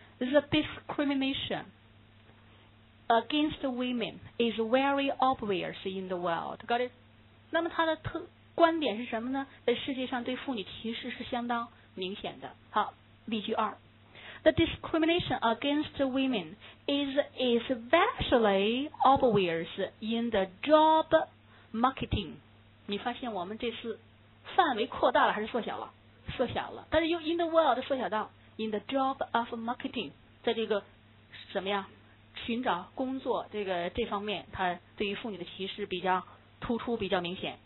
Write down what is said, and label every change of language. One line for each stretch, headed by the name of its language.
English: The discrimination against women is very obvious in the world. Got it?
Chinese: 那么他的观点是什么呢？在世界上对妇女歧视是相当明显的。好，例句二。
English: The discrimination against women is especially obvious in the job marketing.
Chinese: 你发现我们这次范围扩大了还是缩小了？缩小了。但是用
English: in the world
Chinese: 缩小到
English: in the job of marketing，
Chinese: 在这个什么呀？寻找工作这方面，它对于妇女的歧视比较突出，比较明显。